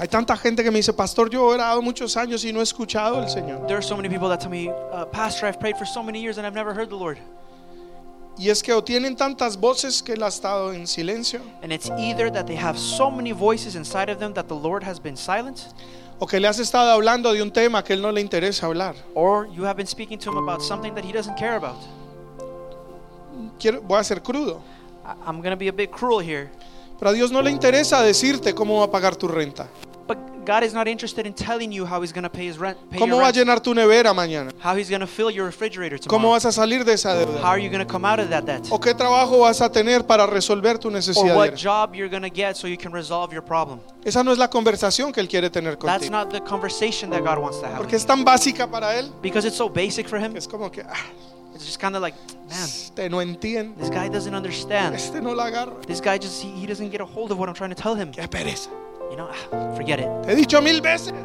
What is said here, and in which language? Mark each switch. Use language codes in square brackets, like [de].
[es] Hay tanta gente que me dice, pastor, yo he orado muchos años y no he escuchado al Señor. [en] There are so many people that tell me, pastor, I've prayed for so many years and I've never heard the Lord. [es] Y es que o tienen tantas voces que él ha estado en silencio. [en] And it's either that they have so many voices inside of them that the Lord has been silent. [es] O que le has estado hablando de un tema que él no le interesa hablar. [en] Or you have been speaking to him about something that he doesn't care about. [es] Quiero, voy a ser crudo. [en] I'm going to be a bit cruel here. [es] Pero a Dios no le interesa decirte cómo va a pagar tu renta. [en] But God is not interested in telling you how he's going to pay his rent. Pay [es] ¿Cómo [en] your [es] va [en] rent? [es] A llenar tu nevera mañana? [en] How he's going to fill your refrigerator tomorrow. [es] ¿Cómo vas a salir de esa deuda? [en] How are you going to come out of that debt? [es] ¿O qué trabajo vas a tener para resolver tu necesidad? [en] Or what job you're going to get so you can resolve your problem? [es] Esa no es la conversación que él quiere tener contigo. [en] That's not the conversation that God wants to have. [es] Porque es tan básica para él. [en] Because it's so basic for him. [es] Es como que [en] it's just kind of like, man, [es] este no entiende. [en] This guy doesn't understand. [es] Este no la agarra. [en] This guy just, he doesn't get a hold of what I'm trying to tell him. [es] Qué pereza. [en] You know, forget it. [es] Te he dicho mil veces.